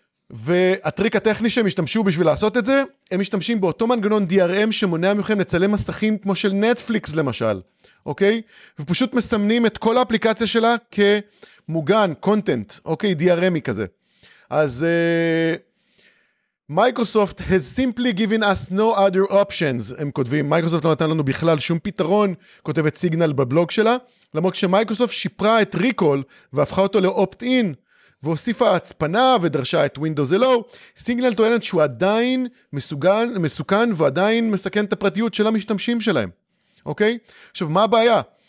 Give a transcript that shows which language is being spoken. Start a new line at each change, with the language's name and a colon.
Hebrew: והטריק הטכני שהם השתמשו בשביל לעשות את זה, הם משתמשים באותו מנגנון DRM שמונע מכם לצלם מסכים כמו של נטפליקס, למשל. אוקיי? ופשוט מסמנים את כל האפליקציה שלה כמוגן, קונטנט, אוקיי? DRM היא כזה. אז...
English: Microsoft has simply given us no other options,
Hebrew: הם כותבים. Microsoft לא נתן לנו בכלל שום פתרון, כותבת סיגנל בבלוג שלה, למרות שמייקרוסופט שיפרה את ריקול והפכה אותו לאופט-אין, והוסיפה הצפנה ודרשה את Windows Hello, סיגנל טוענת שהוא עדיין מסוכן ועדיין מסכן את הפרטיות של המשתמשים שלהם. אוקיי? עכשיו, מה הבעיה?